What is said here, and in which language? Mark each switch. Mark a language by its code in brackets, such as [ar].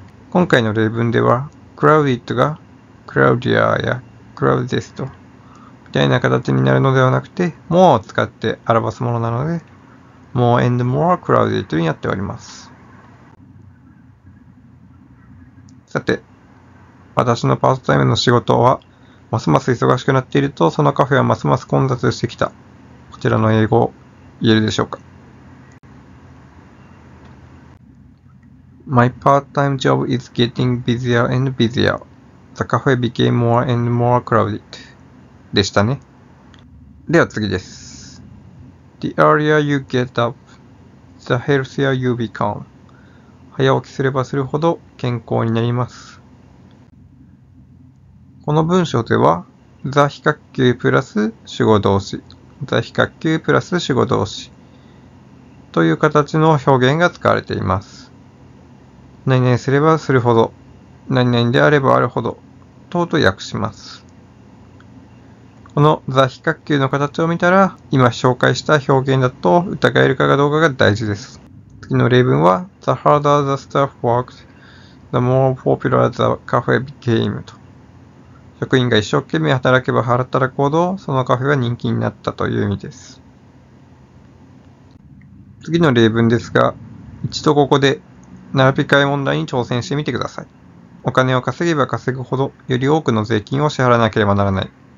[ja] 今回の例文では、crowded が crowdier や crowdedest みたいな形になるのではなくて、more を使って表すものなので、 [en] more and more crowded [ja] になっております。さて、私のパートタイムの仕事は、ますます忙しくなっていると、そのカフェはますます混雑してきた。こちらの英語、言えるでしょうか。 [en] My part-time job is getting busier and busier. The cafe became more and more crowded. [ja] でしたね。では次です。 [en] D The earlier you get up, the healthier you become. [ja] 早起きすればするほど健康になります。この文章では、the 比較級プラス主語動詞、the 比較級プラス主語動詞という形の表現が使われています。何々すればするほど、何々であればあるほど、等と訳します。この the 比較級の形を見たら、今紹介した表現だと疑えるかがどうかが大事です。次の例文は、 [en] the harder the staff worked, the more popular the cafe became [ja] と。職員が一生懸命働けば働くほど、そのカフェは人気になったという意味です。次の例文ですが、一度ここで並び替え問題に挑戦してみてください。お金を稼げば稼ぐほど、より多くの税金を支払わなければならない。